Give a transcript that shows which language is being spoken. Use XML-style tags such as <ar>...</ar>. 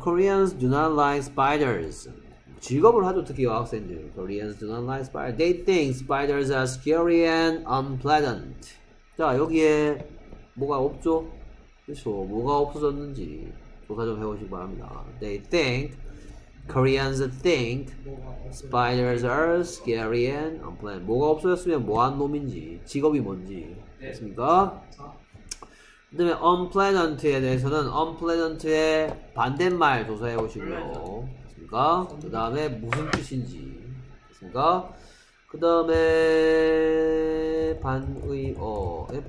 <en>Koreans do not like spiders.</en> <ko>직업을 하죠 특히 여학생들.</ko> <en>Koreans do not like spiders. They think spiders are scary and unpleasant.</en> <ko>자 여기에 뭐가 없죠? 그렇죠. 뭐가 없어졌는지 조사 좀 해보시기 바랍니다.</ko> <en>They think, Koreans think spiders are scary and unpleasant.</en> <ko>뭐가 없어졌으면 뭐한 놈인지 직업이 뭔지 됐습니까? 그 다음에 unpleasant에 대해서는 unpleasant의 반대말 조사해보시고요. 그 다음에 무슨 뜻인지 됐습니까? 그다음에 반의어.</ko>